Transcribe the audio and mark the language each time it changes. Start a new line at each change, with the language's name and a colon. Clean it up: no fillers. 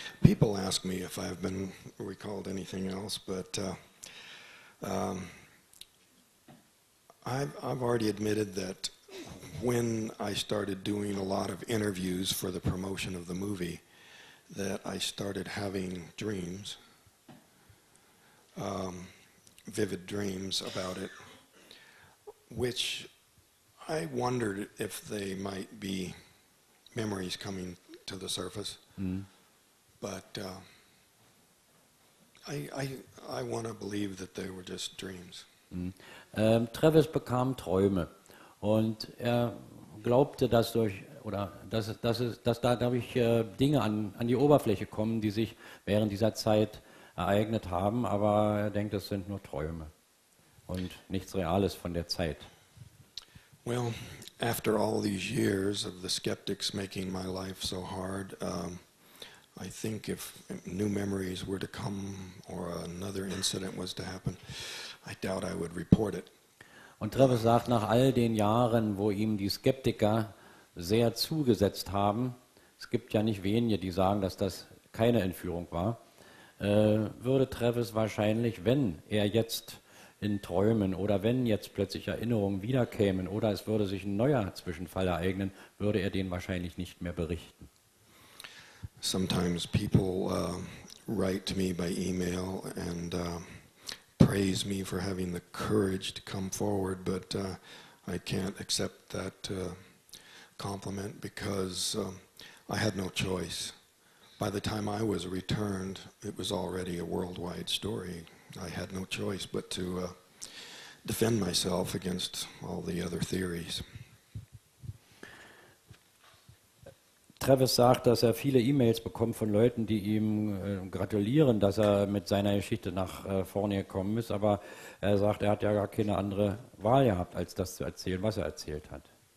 English: People ask me if I've been recalled anything else, but I've already admitted that when I started doing a lot of interviews for the promotion of the movie, that I started having dreams, vivid dreams about it, which I wondered if they might be memories coming to the surface. But I want to believe that they were just dreams.
German: Travis bekam Träume, und er glaubte, dass durch oder dass da dadurch Dinge an die Oberfläche kommen, die sich während dieser Zeit ereignet haben, aber er denkt, das sind nur Träume und nichts Reales von der Zeit.
English: Well, after all these years of the skeptics making my life so hard, I think if new memories were to come or another incident was to happen, I doubt I would report it.
German: Und Travis sagt, nach all den Jahren, wo ihm die Skeptiker sehr zugesetzt haben, es gibt ja nicht wenige, die sagen, dass das keine Entführung war, würde Travis wahrscheinlich, wenn er jetzt in Träumen oder wenn jetzt plötzlich Erinnerungen wiederkämen oder es würde sich ein neuer Zwischenfall ereignen, würde er den wahrscheinlich nicht mehr berichten.
English: Sometimes people write me by email and praise me for having the courage to come forward, but I can't accept that compliment because I had no choice. By the time I was returned, it was already a worldwide story. I had no choice but to defend myself against all the other theories.
German: Travis sagt, dass er viele E-Mails bekommt von Leuten, die ihm gratulieren, dass er mit seiner Geschichte nach vorne gekommen ist, aber er sagt, er hat ja gar keine andere Wahl gehabt, als das zu erzählen, was er erzählt hat.